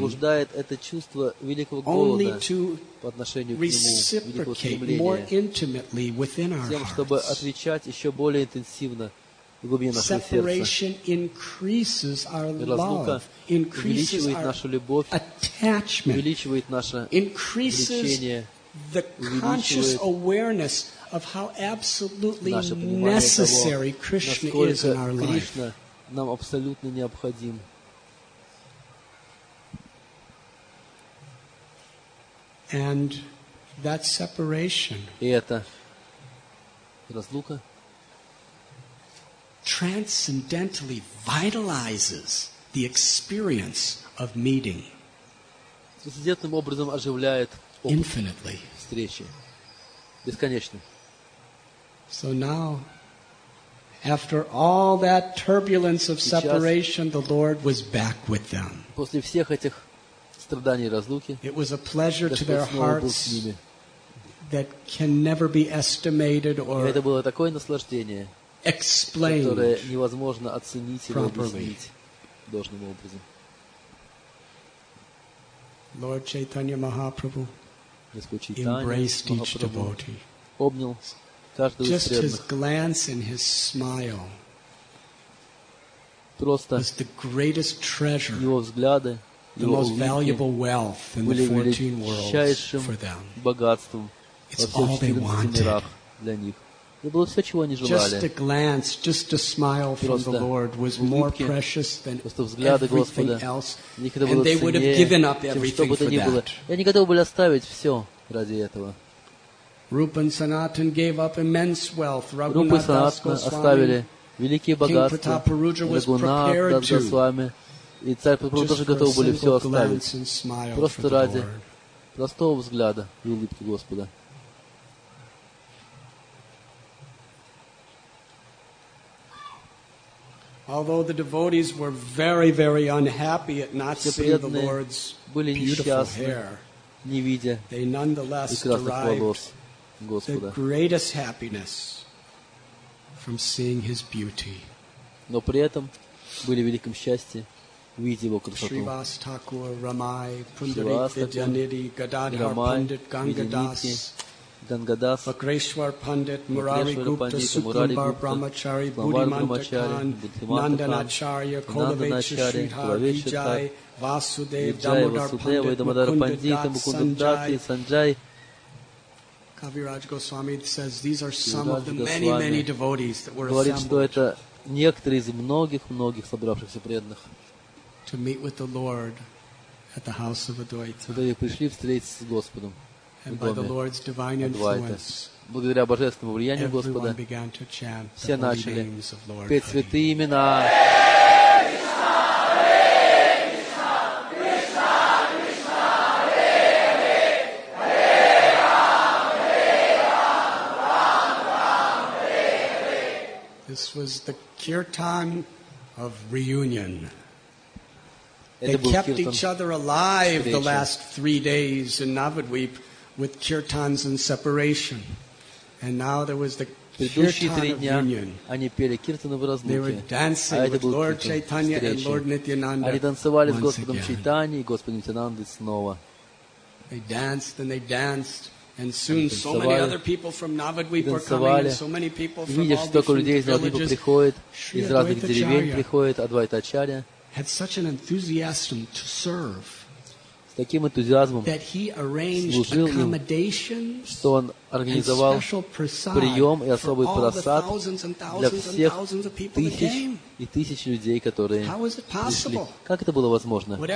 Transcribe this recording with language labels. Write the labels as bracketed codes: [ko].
[ru] Возбуждает это чувство великого голода. [en] Only to [ru] по отношению к Нему, великого стремления. [en] More intimately within our hearts. [ru] Тем, чтобы отвечать еще более интенсивно. [en] Separation increases our love, [ru] увеличивает нашу любовь, [en] attachment, [ru] увеличивает наше влечение, [en] the conscious awareness of how absolutely necessary Krishna is in our life. [ru] Кришна нам абсолютно необходим. [en] And that separation. [ru] И это разлука. [en] Transcendentally vitalizes the experience of meeting. [ru] Трансцендентным образом оживляет опыт встречи. Бесконечно. [en] So now, after all that turbulence of separation, the Lord was back with them. [ru] После всех этих страданий и разлуки, [en] it was a pleasure to their hearts that can never be estimated or. [ru] Это было такое наслаждение. Которое невозможно оценить или объяснить должным образом. [en] Lord Chaitanya Mahaprabhu embraced each devotee. [ru] Обнял каждого из преданных. [en] Just his glance and his smile. [ru] Просто [en] the greatest treasure. [ru] Его взгляды, [en] the most valuable wealth in the 14 worlds for them. [ru] Богатством во всех 14 мирах для них. Было все, чего они желали. [en] Just a glance, just a smile from the Lord was more precious than everything else. And they would have given up everything for that. [ru] Они готовы были оставить все ради этого. [en] Rupa and Sanatan gave up immense wealth. [ru] Rupa and Sanatan оставили великие богатства. [en] King Prataparudra was prepared to. [ru] И царь Прапарудра тоже готовы были все оставить. Просто ради простого взгляда и улыбки Господа. [en] Although the devotees were very, very unhappy at not seeing the Lord's beautiful hair, they nonetheless derived the greatest happiness from seeing His beauty. [ru] Но при этом были в великом счастье видеть Его красоту. [en] Shrivas Thakur, Ramai, Pundarik Vidyanidhi, Gadadhar Pandit, Gangadas, Gangadas, Bhagreshwar Pandit, Murari Gupta, Sukumbar Brahmachari, Budhimantakan, Nandanacharya, Kolaveshri Har, Vijay, Vasudev, Damodar Pandit, Mukundat, Sanjay. Kaviraj Goswami says these are some of the many, many devotees that were assembled. [ru] Говорит, что это некоторые из многих-многих собравшихся преданных. [en] To meet with the Lord at the house of Advaita. [ru] Они пришли встретиться с Господом. [en] And by the Lord's divine influence, [ru] благодаря божественному влиянию Господа, все начали петь святые имена. [en] This was the kirtan of reunion. They kept each other alive the last 3 days in Navadvip. With kirtans and separation, and now there was the kirtan of union. They were dancing with Lord Chaitanya and Lord Nityananda. [ru] Они танцевали с Господом Чайтаньей и Господом Нитьянандой снова. [en] They danced and they danced, and soon so many other people from Navadvipa were coming, and so many people from all different villages. [ru] Приходит из разных деревень приходит Адвайта Ачарья. [en] Had such an enthusiasm to serve. [ru] таким энтузиазмом служил им, что он организовал прием и особый просад для всех тысяч и тысяч людей, которые пришли. Как это было возможно?